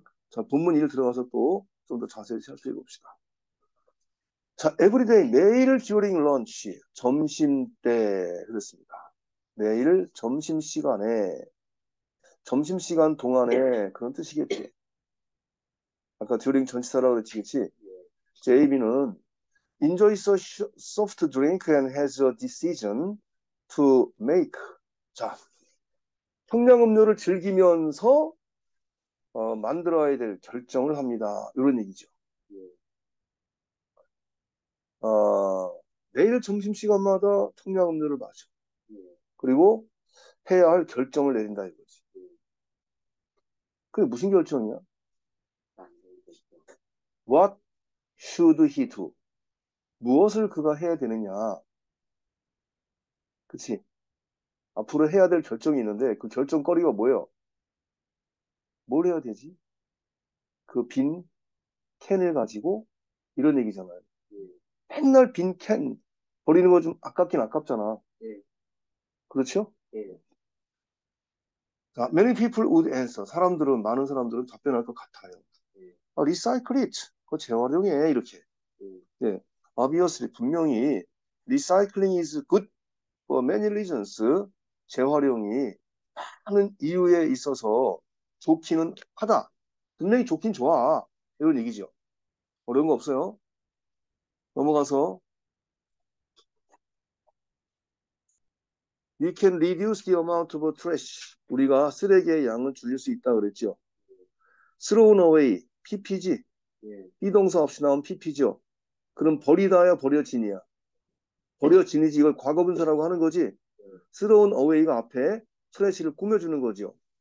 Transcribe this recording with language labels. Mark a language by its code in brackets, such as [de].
[ko] 자, 본문 1 들어가서 또좀더 자세히 살펴 봅시다. 자, everyday 매일 [en] during lunch [ko] 점심 때 그랬습니다. 매일 점심 시간에 점심시간 동안에 그런 뜻이겠지. 아까 during 전치사라고 그랬지, 그치? [en] JB는 enjoys a soft drink and has a decision to make. [ko] 자, 청량음료를 즐기면서 만들어야 될 결정을 합니다. 이런 얘기죠. 매일 점심시간마다 청량음료를 마셔. 그리고 해야 할 결정을 내린다 이거지. 그게 무슨 결정이야? [en] What should he do? [ko] 무엇을 그가 해야 되느냐? 그치? 앞으로 해야 될 결정이 있는데, 그 결정거리가 뭐예요? 뭘 해야 되지? 그빈 캔을 가지고? 이런 얘기잖아요. 맨날 빈캔 버리는 거좀 아깝긴 아깝잖아. 그렇죠? [en] Yeah. 자, many people would answer. [ko] 사람들은, 많은 사람들은 답변할 것 같아요. 아, [en] recycle it. [ko] 그거 재활용해. 이렇게. 예. [en] Obviously, 분명히, recycling is good for many reasons. [ko] 재활용이 많은 이유에 있어서 좋기는 하다. 분명히 좋긴 좋아. 이런 얘기죠. 어려운 거 없어요. 넘어가서. [en] We can reduce the amount of trash. [ko] 우리가 쓰레기의 양을 줄일 수 있다 그랬죠. [en] thrown away, PPG. [ko] 비동사 없이 나온 PPG죠. 그럼 버리다야 버려지니야. 버려지니지 이걸 과거분사라고 하는 거지. thrown away가 앞에 trash를 꾸며주는 거죠.